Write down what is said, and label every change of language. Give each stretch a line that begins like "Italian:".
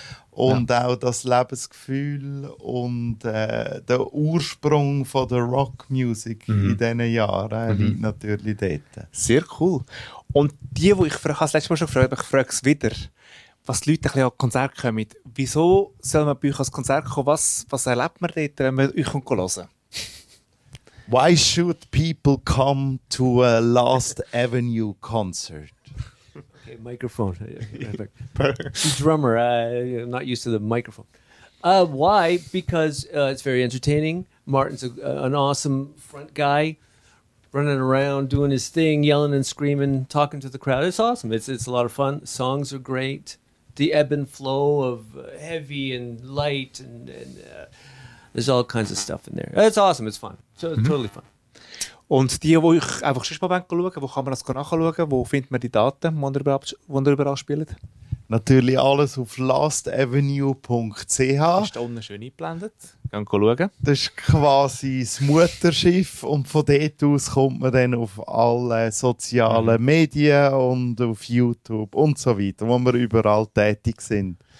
German: Und ja, auch das Lebensgefühl und der Ursprung von der Rockmusik in diesen Jahren liegt natürlich dort. Sehr cool. Und die ich habe das letzte Mal schon gefragt, aber ich frage es wieder. was die Leute ein an Konzert kommen. Wieso soll man bei euch ans Konzert kommen? Was erlebt man dort, wenn man euch hören kann?
English: Why should people come to a Last Avenue concert? Okay, microphone. The drummer, not used to the microphone. Why? Because it's very entertaining. Martin's an awesome front guy, running around, doing his thing, yelling and screaming, talking to the crowd. It's awesome. It's a lot of fun. Songs are great. The ebb and flow of heavy and light there's all kinds of stuff in there. It's awesome. It's fun. So it's totally fun.
German: Und die, wo ich einfach schon mal schauen, wo kann man das nachschauen? Wo findet man die Daten, wo man darüber anspielt? Natürlich alles auf lastavenue.ch. Das ist da unten schön eingeblendet. Gehen schauen. Das ist quasi das Mutterschiff. Und von dort aus kommt man dann auf alle sozialen Medien und auf YouTube und so weiter, wo wir überall tätig sind.